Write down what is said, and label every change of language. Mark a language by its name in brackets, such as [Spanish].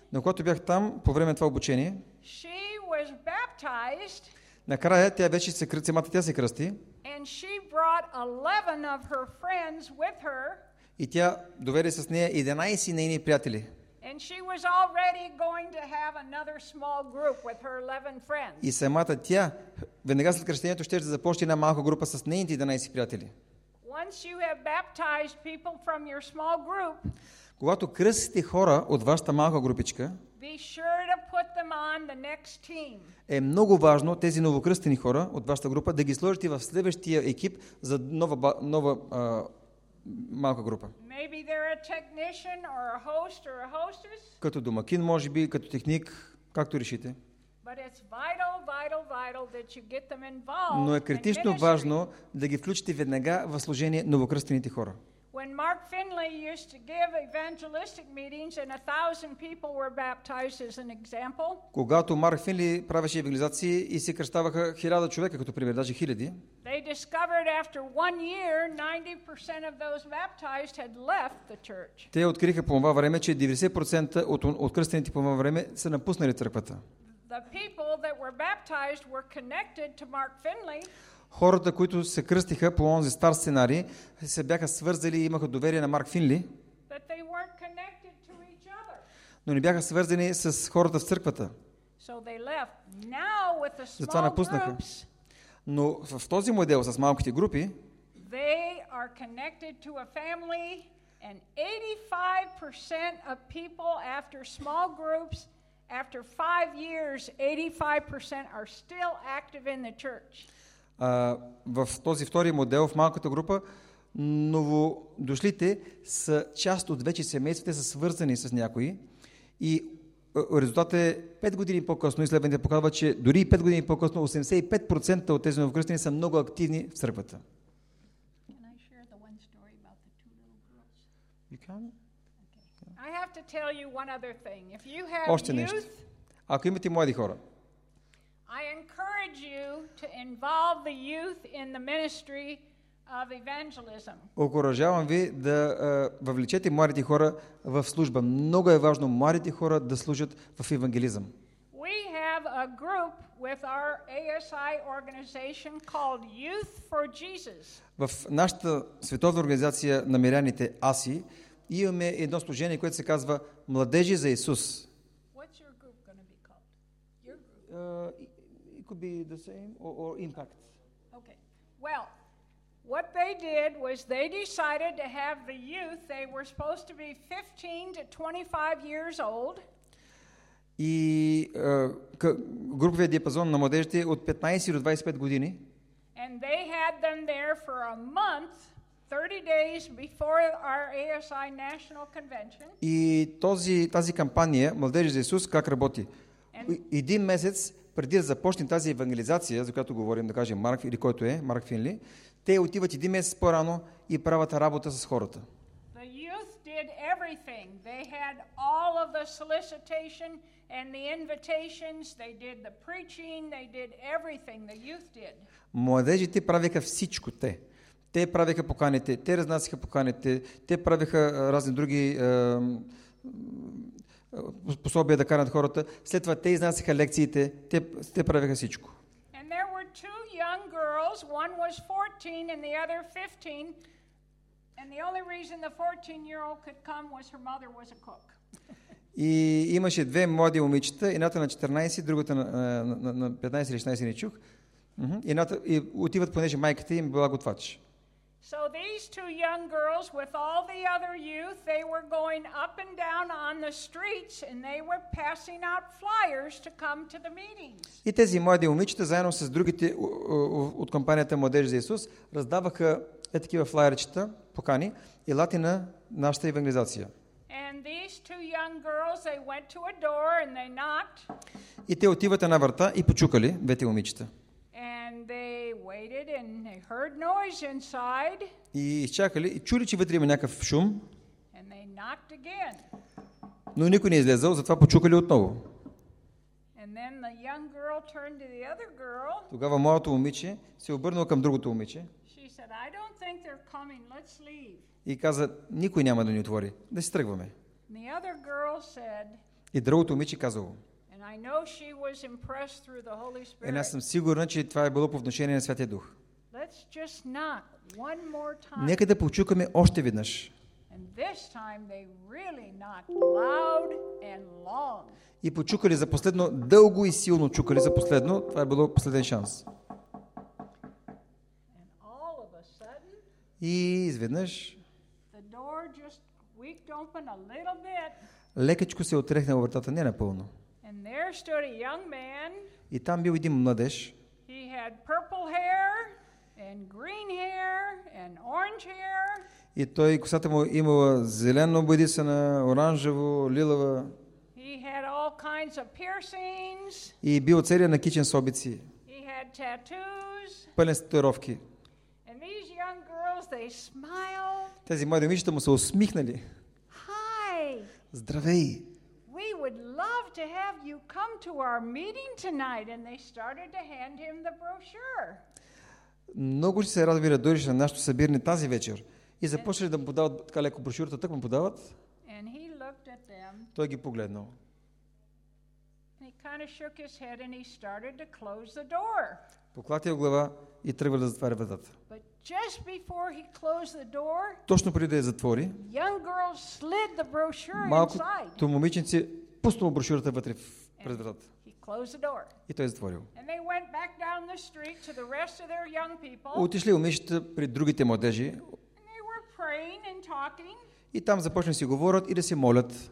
[Bulgarian] но когато бях там по време на това обучение, [English] she was baptized. [Bulgarian] Накрая тя вече се кръсти, самата тя се кръсти. [English] And she brought 11 of her friends with her. [Bulgarian] И тя доведе с нея 11 нейни приятели. [English] And she was already going to have another small group with her 11 friends. [Bulgarian] И самата тя веднага след кръщението ще започне една малка група с нейните 11 приятели. [English] Once you have baptized people from your small group, [Bulgarian] когато кръстите хора от вашата малка групичка, [English] be sure to put them on the next team. [Bulgarian] Е много важно тези новокръстени хора от вашата група да ги сложите в следващия екип за нова малка група. [English] Maybe they're a technician or a host or a hostess. [Bulgarian] Като домакин може би, като техник, както решите. [English] But it's vital, vital, vital that you get them involved. [Bulgarian] Но е критично важно да ги включите веднага в служение новокръстените хора. [English] When Mark Finley used to give evangelistic meetings and 1,000 people were baptized as an example. [Bulgarian] Когато Марк Финли правеше евангелизации и се кръщаваха 1000 човека като пример, даже хиляди. [English] They discovered after one year 90% of those baptized had left the church. [Bulgarian] Те откриха по това време, че 90% от кръстените по това време са напуснали църквата. [English] The people that were baptized were connected to Mark Finley. [Bulgarian] Хората, които се кръстиха по онзи стар сценарий, се бяха свързали и имаха доверие на Марк Финли. [English] But they weren't connected to each other. [Bulgarian] Но не бяха свързани с хората в църквата. [English] So they left. Now with the small [Bulgarian] затова напуснаха. [English] Groups, [Bulgarian] но в този модел с малките групи, [English] they are connected to a family and 85% of people after small groups after 5 years 85% are still active in the church. [Bulgarian] В този втори модел в малката група новодошлите са част от вече семействата, са свързани с някои и резултатът е 5 години по-късно, изследванията показват, че дори 5 години по-късно 85% от тези новокръстени са много активни в църквата. [English] Can I share the one story about the two little girls? You can. I have to tell you one other thing. If you have [Bulgarian] още нещо. Ако имате млади хора, [English] I encourage you to involve the youth in the ministry of evangelism. [Bulgarian] Окуражавам ви да въвлечете младите хора в служба. Много е важно младите хора да служат в евангелизъм. [English] We have a group with our ASI organization called Youth for Jesus. [Bulgarian] В нашата световна организация на миряните АСИ имаме едно служение, което се казва Младежи за Исус. [English] What's your group going to be called? Your group? It could be the same or impact. Okay. Well, what they did was they decided to have the youth, they were supposed to be 15 to 25 years old. [Bulgarian] И груповия диапазон на младежите от 15 до 25 години. [English] And they had them there for a month. 30 days before our ASI national convention. [Bulgarian] И тази кампания Младежи за Исус как работи? Един месец преди да започне тази евангелизация, за която говорим, да кажем Марк или който е Марк Финли, те отиват един месец по-рано и правят работа с хората. [English] The youth did everything. They had all of the solicitation and the invitations, they did the preaching, they did everything the youth did. [Bulgarian] Младежите правиха всичко те. Те правиха поканите, те разнасяха поканите, те правиха разни други способия да канат хората. След това те изнасяха лекциите, те правиха всичко. [English] And there were two young girls, one was 14 and the other 15. And the only reason the 14-year-old could come was her mother was a cook. [Bulgarian] И имаше две млади момичета, едната на 14, другата на 15 или 16, не чух. И отиват, понеже майката им била готвач. [English] So these two young girls with all the other youth, they were going up and down on the streets and they were passing out flyers to come to the meetings. [Bulgarian] И тези млади момичета заедно с другите от кампанията Младеж за Исус раздаваха такива флайерчета, покани и лати на нашата евангелизация. [English] And these two young girls, they went to a door and they knocked. [Bulgarian] И те отиват на врата и почукали двете момичета. [English] And they heard noise inside. [Bulgarian] И изчакали, и чули, че вътре има някакъв шум. [English] And they knocked again. [Bulgarian] Но никой не излезал, затова почукали отново. [English] And then the young girl turned to the other girl. [Bulgarian] Тогава младото момиче се обърнало към другото момиче. [English] She said, I don't think they're coming. Let's leave. [Bulgarian] И каза, никой няма да ни отвори, да си тръгваме. [English] And the other girl said, [Bulgarian] и другото момиче казало, [English] I know she was impressed through the Holy Spirit. [Bulgarian] Аз съм сигурна, че това е било по внушение на Святия Дух. [English] Let's just knock one more time. [Bulgarian] Нека да почукаме още веднъж. [English] And this time they really knocked loud and long. [Bulgarian] И почукали за последно, дълго и силно чукали за последно. Това е било последен шанс. [English] And all of a sudden, [Bulgarian] и изведнъж [English] the door just squeaked open a little bit. [Bulgarian] Лекачко се отрехна вратата, не напълно. [English] And there stood a young man. [Bulgarian] И там бил един младеж. [English] He had purple hair and green hair and orange hair. [Bulgarian] И той косата му имала зелено бодисана, оранжево, лилава. [English] He had all kinds of piercings. [Bulgarian] И бил целия накичен с обици. [English] He had tattoos. [Bulgarian] Пълен с татуировки. [English] And these young girls, they smiled. [Bulgarian] Тези млади момичета му се усмихнали. [English] Hi. [Bulgarian] Здравей. [English] We would love to have you come to our meeting tonight, and they started to hand him the brochure. [Bulgarian] Много ще се радва да дойдеш на нашето събиране тази вечер. И започнали да му подават така леко брошюрата, так му подават. [English] And he looked at them. [Bulgarian] Той ги погледнал. [English] And he kind of shook his head and he started to close the door. [Bulgarian] Поклатил глава и тръгва да затваря вратата. [English] But just before he closed the door, [Bulgarian] точно преди да я затвори, [English] young girl slid the brochure inside. [Bulgarian] Малкото момиченце пуснало брошурата вътре пред вратата. [English] He closed the door. [Bulgarian] И той затворил. [English] And they went back down the street to the rest of their young people. [Bulgarian] Отишли момичета при другите младежи. [English] And they were praying and talking. [Bulgarian] И там започнали си говорят и да се молят.